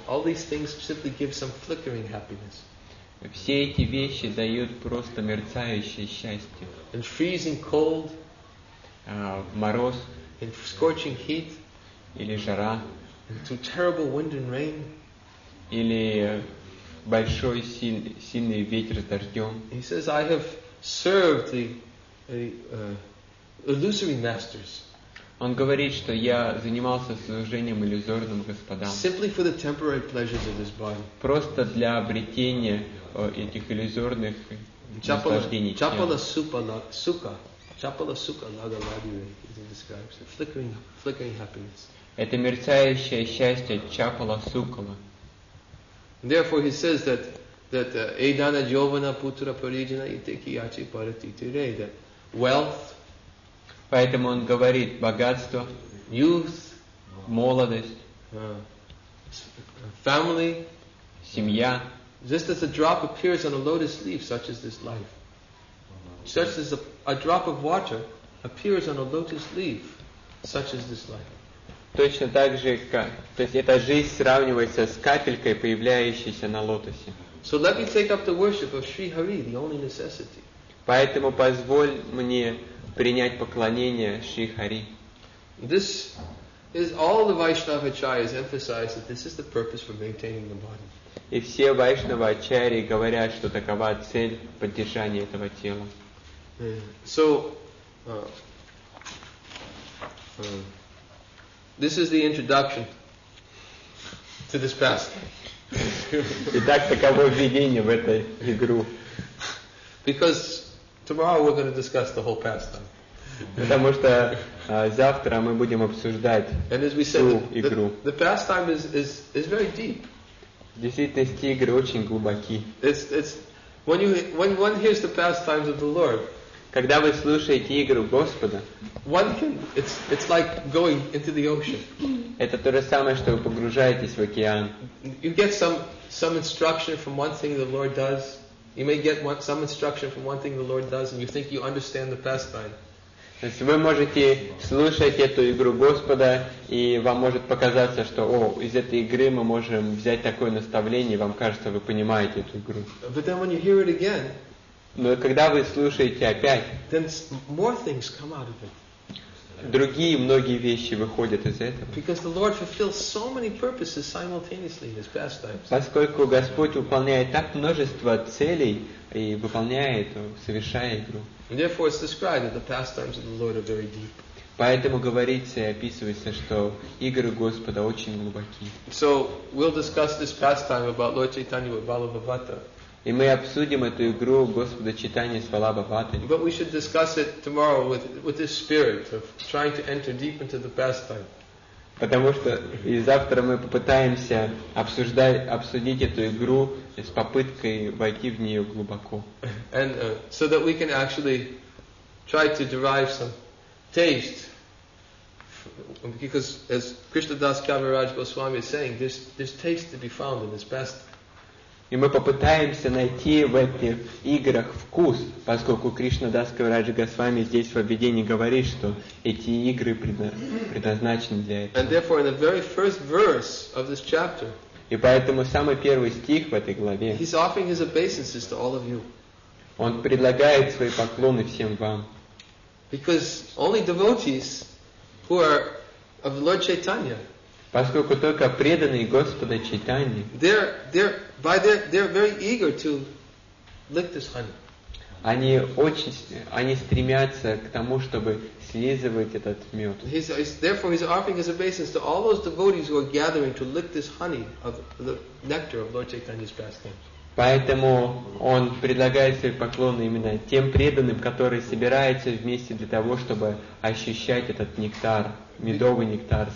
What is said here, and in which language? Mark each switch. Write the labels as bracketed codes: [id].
[en] All these things simply give some flickering happiness. [ru] Все эти вещи дают просто мерцающее счастье. [en] And freezing cold. [ru] Мороз. [en] And scorching heat. [ru] Или жара. [en] And some terrible wind and rain. [ru] Или большой сильный ветер с дождем. [en] He says, "I have served the illusory masters." [ru] Он говорит, что я занимался служением иллюзорным господам. [en] Simply for the temporary pleasures of this body. [ru] Просто для обретения этих иллюзорных наслаждений. [sa] Чапала супа сука. Чапала сука лага ладиве. [en] It describes it. Flickering happiness. [ru] Это мерцающее счастье [sa] чапала сукала. [en] Therefore he says that [sa] эйдана джована путра паридина итеки ячи парати тире. [en] That wealth. [ru] Поэтому он говорит, богатство, [en] youth, [ru] молодость, [en] family, [ru] семья. [en] Just as a drop appears on a lotus leaf, such is this life. Just as a drop of water appears on a lotus leaf, such is this life. [ru] Точно так же, то есть эта жизнь сравнивается с капелькой, появляющейся на лотосе. [en] So let me take up the worship of Sri Hari, the only necessity. [ru] Поэтому позволь мне принять поклонение Шри Хари. [en] This is all the Vaishnava acharyas emphasize that this is the purpose for maintaining the body. [ru] И все Вайшнава ачарьи говорят, что такова цель поддержания этого тела. [en] So this is the introduction to this passage. [ru] Итак, таково введение в эту игру. [en] Because tomorrow we're going to discuss the whole pastime. [ru] Потому что завтра мы будем обсуждать всю игру. [en] The pastime is very deep. [ru] В действительности игры очень глубоки. [en] It's when one hears the pastimes of the Lord. [ru] Когда вы слушаете игру Господа. [en] One can it's like going into the ocean. [ru] Это то же самое, что вы погружаетесь в океан. [en] You get some instruction from one thing the Lord does. You may get some instruction from one thing the Lord does, and you think you understand the pastime. [ru] То есть вы можете слушать эту игру Господа, и вам может показаться, что о, из этой игры мы можем взять такое наставление, и вам кажется, вы понимаете эту игру. [en] But then when you hear it again, [ru] но когда вы слушаете опять, [en] then more things come out of it. [ru] Другие многие вещи выходят из этого. [en] Because the Lord fulfills so many purposes simultaneously in his pastimes. [ru] Поскольку Господь выполняет так множество целей и выполняет, совершая игру. [en] And therefore it's described that the pastimes of the Lord are very deep. [ru] Поэтому говорится и описывается, что игры Господа очень глубоки. [en] So we'll discuss this pastime about Lord Chaitanya with Balabhavata. [ru] И мы обсудим эту игру Господа Чайтаньи с Валабхаватой. [en] But we should discuss it tomorrow with this spirit of trying to enter deep into the pastime. [ru] Потому что и завтра мы попытаемся обсудить эту игру с попыткой войти в нее глубоко. [en] And so that we can actually try to derive some taste, because as Krishna Das Kaviraj Goswami is saying, there's taste to be found in this pastime. [ru] И мы попытаемся найти в этих играх вкус, поскольку Кришна Дас Кавирадж Госвами здесь в введении говорит, что эти игры предназначены для этого. [en] And therefore, in the very first verse of this chapter, [ru] и поэтому самый первый стих в этой главе, [en] he's offering his obeisances to all of you. [ru] Он предлагает свои поклоны всем вам. [en] Because only devotees who are of Lord Chaitanya. [ru] Поскольку только преданные Господа Чайтаньи. [en] They're very eager to lick this honey. [ru] Они стремятся к тому, чтобы слизывать этот мед. [en] Therefore, he's offering his obeisance to all those devotees who are gathering to lick this honey of the nectar of Lord Chaitanya's pastimes. [ru] Поэтому он предлагает свои поклоны именно тем преданным, которые собираются вместе для того, чтобы ощущать этот нектар, медовый нектар